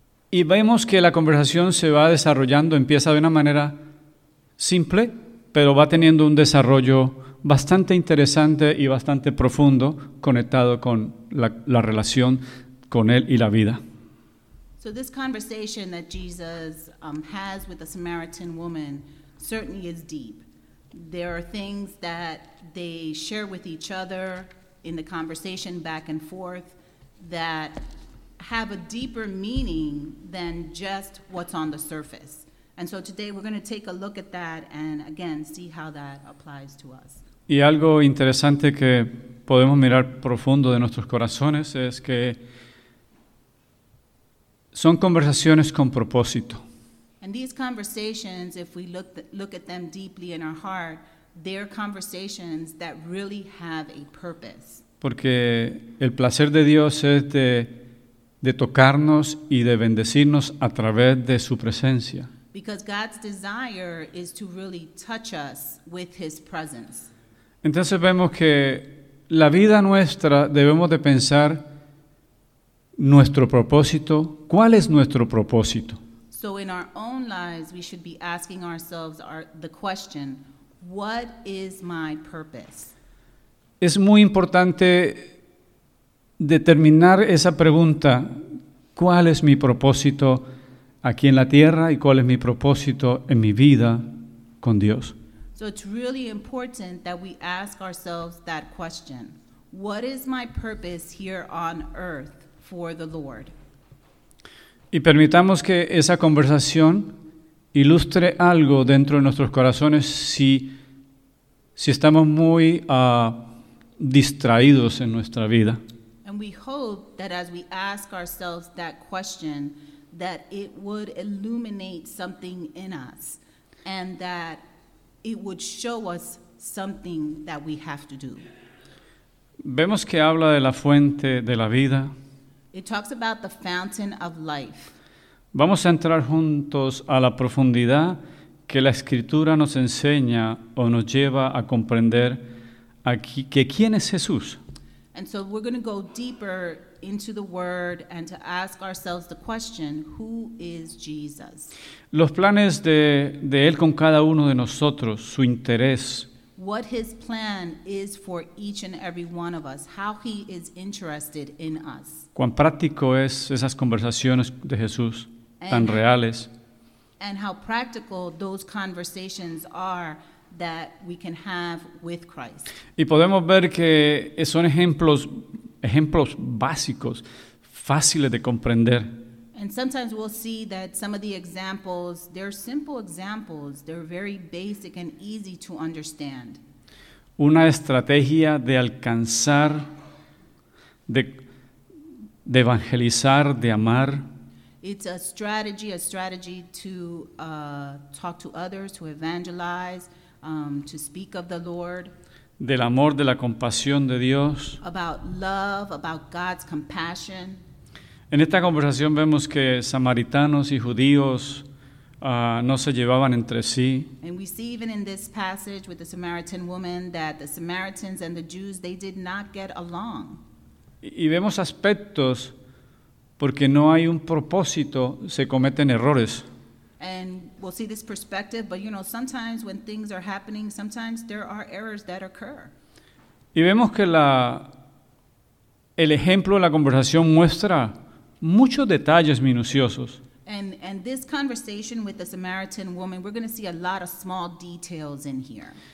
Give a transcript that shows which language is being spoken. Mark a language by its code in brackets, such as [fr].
[es] Y vemos que la conversación se va desarrollando, empieza de una manera simple, pero va teniendo un desarrollo bastante interesante y bastante profundo, conectado con la relación con él y la vida. [en] So this conversation that Jesus has with the Samaritan woman certainly is deep. There are things that they share with each other in the conversation back and forth that have a deeper meaning than just what's on the surface. And so today we're going to take a look at that and again see how that applies to us. [es] Y algo interesante que podemos mirar profundo de nuestros corazones es que son conversaciones con propósito. [en] And these conversations, if we look at them deeply in our heart, they're conversations that really have a purpose. [es] Porque el placer de Dios es de tocarnos y de bendecirnos a través de su presencia. [en] Because God's desire is to really touch us with his presence. [es] Entonces vemos que la vida nuestra debemos de pensar nuestro propósito. ¿Cuál es nuestro propósito? [en] So in our own lives, we should be asking ourselves the question, what is my purpose? [es] Es muy importante determinar esa pregunta, ¿cuál es mi propósito aquí en la tierra y cuál es mi propósito en mi vida con Dios? [en] So it's really important that we ask ourselves that question. What is my purpose here on earth for the Lord? [es] Y permitamos que esa conversación ilustre algo dentro de nuestros corazones si estamos muy distraídos en nuestra vida. [en] And we hope that as we ask ourselves that question, that it would illuminate something in us and that it would show us something that we have to do. [es] Vemos que habla de la fuente de la vida. [en] It talks about the fountain of life. [es] Vamos a entrar juntos a la profundidad que la Escritura nos enseña o nos lleva a comprender aquí, que quién es Jesús. [en] And so we're going to go deeper into the Word and to ask ourselves the question, who is Jesus? [es] Los planes de Él con cada uno de nosotros, su interés. [en] What His plan is for each and every one of us, how He is interested in us. [es] Cuán práctico es esas conversaciones de Jesús, tan reales. [en] And how practical those conversations are that we can have with Christ. [es] Y podemos ver que son ejemplos básicos, fáciles de comprender. [en] And sometimes we'll see that some of the examples, they're simple examples, they're very basic and easy to understand. [es] Una estrategia de alcanzar, de evangelizar, de amar. [en] It's a strategy to talk to others, to evangelize, to speak of the Lord. [es] Del amor, de la compasión de Dios. [en] About love, about God's compassion. [es] En esta conversación vemos que samaritanos y judíos no se llevaban entre sí. [en] And we see even in this passage with the Samaritan woman that the Samaritans and the Jews, they did not get along. [es] Y vemos aspectos porque no hay un propósito, se cometen errores. [en] And we'll see this perspective, but you know, sometimes when things are happening, sometimes there are errors that occur. [es] Y vemos que el ejemplo de la conversación muestra muchos detalles minuciosos. [en] And this conversation with the Samaritan woman, we're going to see a lot of small details in here.